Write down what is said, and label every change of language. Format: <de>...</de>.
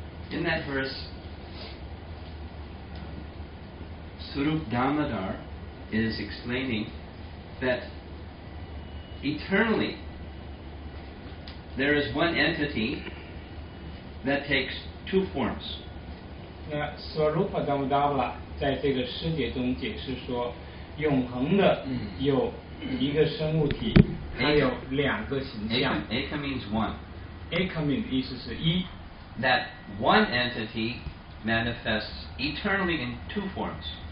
<en>In that verse, Surup Damodar is explaining that eternally there is one entity that takes two forms.</en> <zh>那Swarupa Damodara 在这个诗节中解释说，永恒的有一个生物体， 它有两个形象。</zh> <en>Eka means one. Eka means</en> <zh>意思是一。</zh> <en>That one entity manifests eternally in two forms.</en>